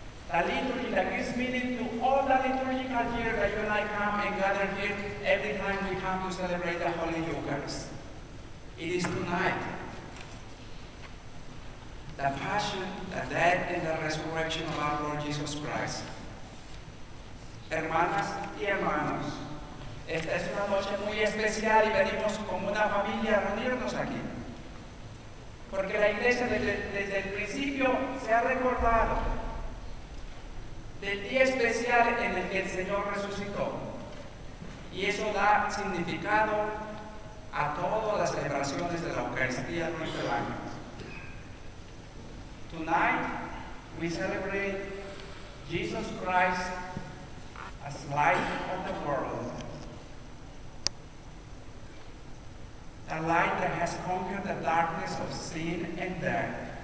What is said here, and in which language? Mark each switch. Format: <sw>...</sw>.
<en>The liturgy that gives meaning to all the liturgical year that you and I come and gather here every time we come to celebrate the Holy Eucharist. It is tonight the passion, the death, and the resurrection of our Lord Jesus Christ.</en> <es>Hermanas y hermanos, esta es una noche muy especial y venimos como una familia a reunirnos aquí. Porque la Iglesia desde el principio se ha recordado del día especial en el que el Señor resucitó. Y eso da significado a todas las celebraciones de la Eucaristía durante el año.</es> <en>Tonight, we celebrate Jesus Christ as light of the world. The light that has conquered the darkness of sin and death.</en>